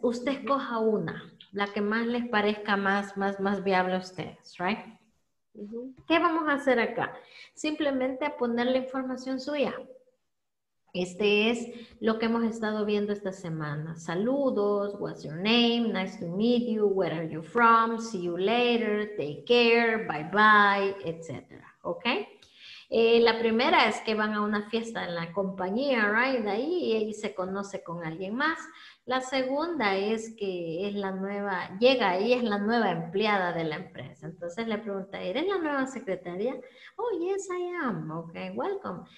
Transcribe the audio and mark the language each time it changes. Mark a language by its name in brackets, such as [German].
[Spanish] Usted escoja una, la que más les parezca más viable a ustedes, right? ¿Qué vamos a hacer acá? Simplemente a poner la información suya. Este es lo que hemos estado viendo esta semana. [English] Saludos, what's your name, nice to meet you, where are you from, see you later, take care, bye bye, etc. ¿Ok? [Spanish] La primera es que van a una fiesta en la compañía, right? Ahí y ella se conoce con alguien más. La segunda es que es la nueva, llega ahí, es la nueva empleada de la empresa. Entonces le pregunta, ¿eres la nueva secretaria? [English] Oh, yes, I am. Okay, welcome.